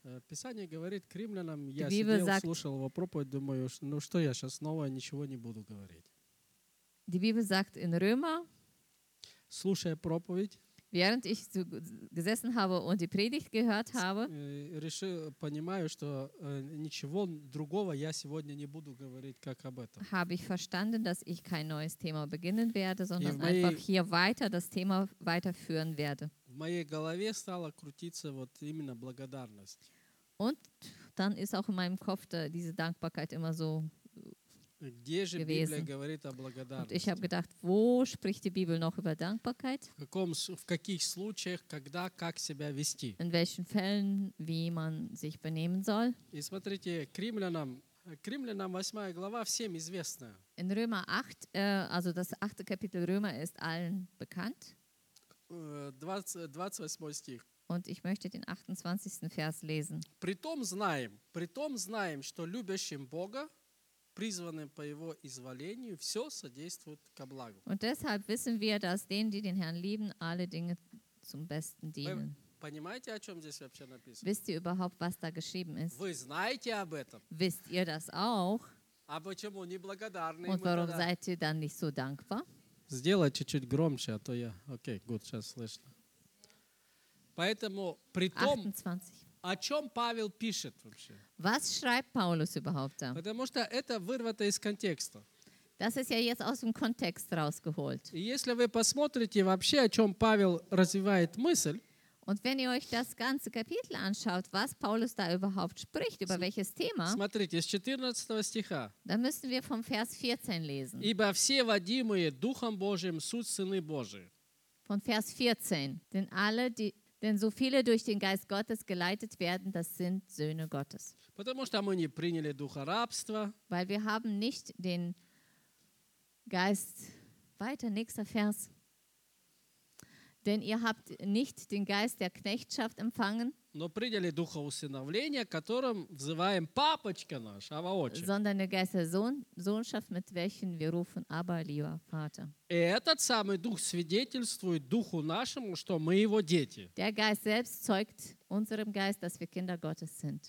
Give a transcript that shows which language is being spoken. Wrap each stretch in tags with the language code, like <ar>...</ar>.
<ru>Писание говорит к римлянам, я сидел, слушал его проповедь, думаю, ну что я сейчас снова ничего не буду говорить.</ru> <de>Die Bibel sagt in Römer,</de> <ru>слушая проповедь,</ru> <de>während ich gesessen habe und die Predigt gehört habe, habe ich verstanden, dass ich kein neues Thema beginnen werde, sondern einfach hier weiter das Thema weiterführen werde.</de> <ru>В моей голове стала крутиться вот именно благодарность.</ru> <de>Und dann ist auch in meinem Kopf diese Dankbarkeit immer so</de> <ru>где же</ru> <de>gewesen.</de> <ru>Библия говорит о благодарности?</ru> <de>Und ich habe gedacht, wo spricht die Bibel noch über Dankbarkeit?</de> <ru>В каких случаях, когда, как себя вести?</ru> <de>In welchen Fällen, wie man sich benehmen soll?</de> <ru>И смотрите, к римлянам 8 глава всем известна.</ru> <de>In Römer 8, also das 8. Kapitel Römer ist allen bekannt.</de> <ru>28 стих.</ru> <de>Und ich möchte den 28. Vers lesen.</de> <ru>При том знаем, что любящим Бога, призванным по его изволению, все содействует ко благу.</ru> <de>Und deshalb wissen wir, dass denen, die den Herrn lieben, alle Dinge zum Besten dienen.</de> <ru>Понимаете, о чем здесь вообще написано?</ru> <de>Wisst ihr überhaupt, was da geschrieben ist?</de> <ru>Вы знаете об этом?</ru> <de>Wisst ihr das auch?</de> <ru>А почему не благодарны?</ru> <de>Und warum seid ihr dann nicht so dankbar?</de> <ru>Сделай чуть-чуть громче, а то я... Окей, гуд, сейчас слышно. Поэтому, при том, 28. О чем Павел пишет вообще?</ru> <de>Was schreibt Paulus überhaupt da?</de> <ru>Потому что это вырвато из контекста.</ru> <de>Das ist ja jetzt aus dem Kontext rausgeholt.</de> <ru>И если вы посмотрите вообще, о чем Павел развивает мысль,</ru> <de>und wenn ihr euch das ganze Kapitel anschaut, was Paulus da überhaupt spricht, über welches Thema,</de> <ru>смотрите, с 14 стиха,</ru> <de>dann müssen wir vom Vers 14 lesen.</de> <ru>Ибо все водимые Духом Божиим суть сыны Божии.</ru> <de>Von Vers 14. Denn so viele durch den Geist Gottes geleitet werden, das sind Söhne Gottes.</de> <ru>Потому что мы не приняли духа рабства.</ru> <de>Weil wir haben nicht den Geist... Weiter, nächster Vers. Denn ihr habt nicht den Geist der Knechtschaft empfangen,</de> <ru>но приняли духа усыновления, которым взываем папочка наш, Ава Отче.</ru> <de>Sondern der Geist der Sohnschaft, mit welchen wir rufen, Abba, lieber Vater.</de> <ru>И этот самый дух свидетельствует духу нашему, что мы его дети.</ru> <de>Der Geist selbst zeugt unserem Geist, dass wir Kinder Gottes sind.</de>